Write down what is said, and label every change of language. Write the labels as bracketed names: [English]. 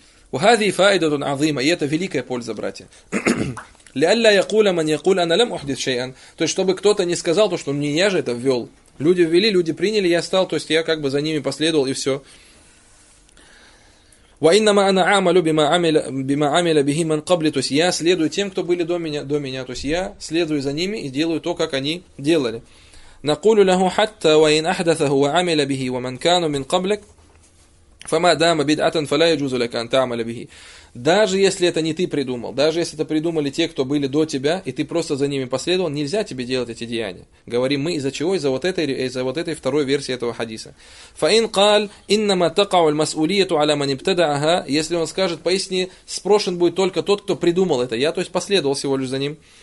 [Arabic] «Ухадзи фаидатун азима». [Russian] И это великая польза, братья. [Arabic] «Лиалля якуля ман якуля аналям ухдит шейан». [Russian] То есть, чтобы кто-то не сказал, то, что не я же это ввел. Люди ввели, люди приняли, я стал, то есть, я как бы за ними последовал, и все. [Arabic] وإنما أنا أعمل بما عمل به من قبلي. [Russian] То есть я следую тем, кто были до меня. То есть я следую за ними и делаю то, как они делали. [Arabic] نقول له حتى وإن أحدثه وعمل به ومن كان من قبلك فما دام بدعة فلا يجوز لك أن تعمل به. [Russian] Даже если это не ты придумал, даже если это придумали те, кто были до тебя, и ты просто за ними последовал, нельзя тебе делать эти деяния. Говорим мы из-за чего? Из-за вот этой второй версии этого хадиса. [Arabic] Фаин каль, иннама такау аль-масулиету аля ман ибтадааха. [Russian] Если он скажет, поистине спрошен будет только тот, кто придумал это. Я, то есть, последовал всего лишь за ним.